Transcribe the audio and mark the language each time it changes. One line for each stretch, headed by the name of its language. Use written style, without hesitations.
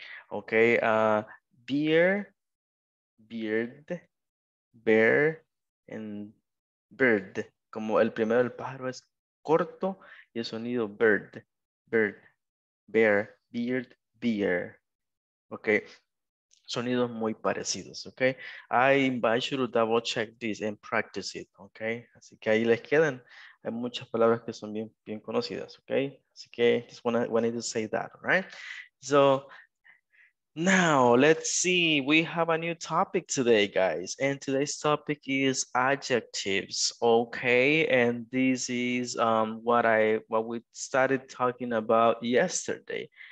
English: Ok, beer, beard, bear, and bird.
Spanish: Como el primero del pájaro es corto y el sonido bird, bird, bear, beard, beer. Ok. Sonidos muy parecidos, ok.
English: I invite you to double check this and practice it, ok.
Spanish: Así que ahí les quedan. Hay muchas palabras que son bien, bien conocidas, ok. Así que
English: just wanted to say that, right? So, now let's see. We have a new topic today, guys. And today's topic is adjectives, ok. And this is what we started talking about yesterday.